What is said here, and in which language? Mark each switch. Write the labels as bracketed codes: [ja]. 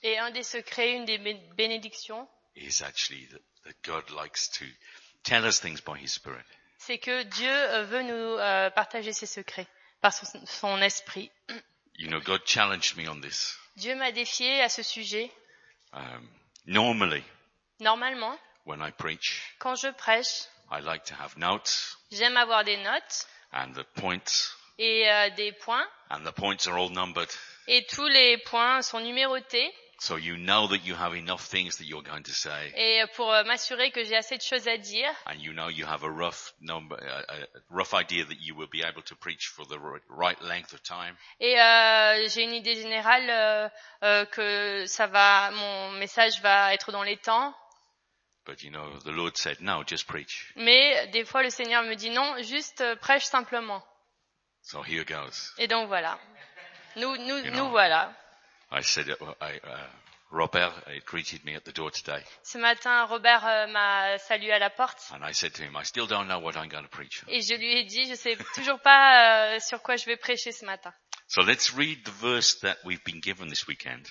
[fr] Et un des secrets, une des bénédictions. [en] Is actually that God likes to tell us things by His Spirit. [fr] C'est que Dieu veut nous partager ses secrets par son esprit. [en] You know, God challenged me on this. [fr] Dieu m'a défié à ce sujet. Normalement, [en] when I preach, [fr] quand je prêche, [en] I like to have notes, [fr] j'aime avoir des notes [en] and the points, [fr] et des points. [en] And the points are all numbered. [fr] Et tous les points sont numérotés. [en] So you know that you have enough things that you're going to say. [fr] Et pour m'assurer que j'ai assez de choses à dire. [en] And you know you have a rough number, a rough idea that you will be able to preach for the right length of time. [fr] Et j'ai une idée générale que ça va, mon message va être dans les temps. [en] But you know, the Lord said, no, just preach. [fr] Mais des fois le Seigneur me dit non, juste prêche simplement. [en] So here goes. [fr] Et donc voilà. Nous voilà. [en] I said, Robert greeted me at the door today. [fr] Ce matin, Robert m'a salué à la porte. [en] And I said to him, I still don't know what I'm going to preach. [fr] Et je lui ai dit, je sais toujours pas sur quoi je vais prêcher ce matin. [en] So let's read the verse that we've been given this weekend.